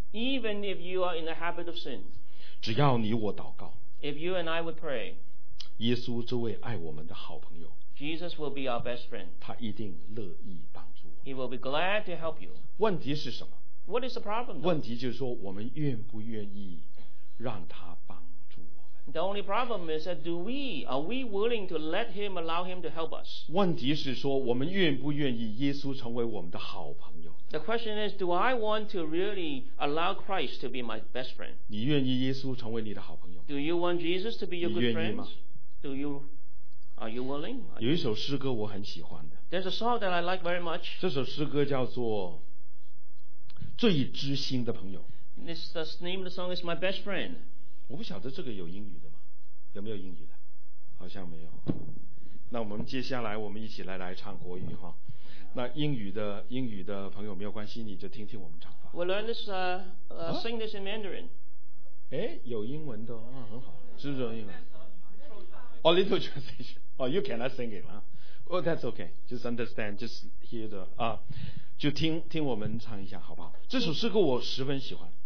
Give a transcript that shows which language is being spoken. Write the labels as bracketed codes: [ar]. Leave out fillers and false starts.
[en] Even if you are in the habit of sin [zh] 只要你我祷告 [en] If you and I would pray [zh] 耶稣这位爱我们的好朋友 [en] Jesus will be our best friend [zh] 他一定乐意帮助我 [en] He will be glad to help you [zh] 问题是什么 [en] What is the problem? [zh] 问题就是说我们愿不愿意让他帮助我们。 [en] The only problem is that are we willing to let him allow him to help us? [zh] 问题是说我们愿不愿意耶稣成为我们的好朋友。 [en] The question is, do I want to really allow Christ to be my best friend? [zh] 你愿意耶稣成为你的好朋友吗? [en] Do you want Jesus to be your good friend? [zh] 你愿意吗? [en] Are you willing? [zh] 有一首诗歌我很喜欢的。 [en] There's a song that I like very much. [zh] 这首诗歌叫做最知心的朋友 [en] The name of the song is My Best Friend [zh] 我不晓得这个有英语的吗有没有英语的好像没有那我们接下来我们一起来唱国语哈那英语的朋友没有关系你就听听我们唱吧 [en] We'll learn this sing this in Mandarin [zh] 诶有英文的啊，很好是不是有英文 [en] A little translation Oh, you cannot sing it Oh, that's okay Just understand Just hear the [zh] 啊、就听我们唱一下好不好这首诗歌我十分喜欢